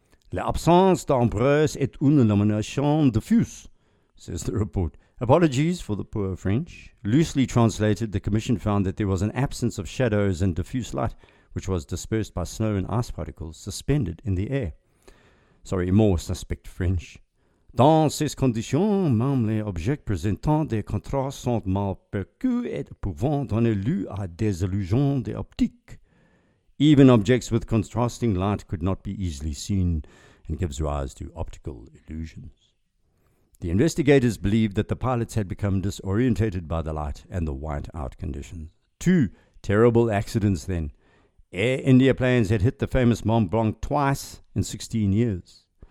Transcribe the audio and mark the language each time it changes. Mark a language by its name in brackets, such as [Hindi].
[French] "L'absence d'ombres est une illumination diffuse," [English] says the report. Apologies for the poor French. Loosely translated, the commission found that there was an absence of shadows and diffuse light, which was dispersed by snow and ice particles suspended in the air. Sorry, more suspect French. [French] "Dans ces conditions, même les objets présentant des contrastes sont mal perçus et pouvant donner lieu à des illusions d'optique." [English] Even objects with contrasting light could not be easily seen and gives rise to optical illusions. The investigators believed that the pilots had become disorientated by the light and the white-out conditions. Two terrible accidents then. Air India planes had hit the famous Mont Blanc twice in 16 years.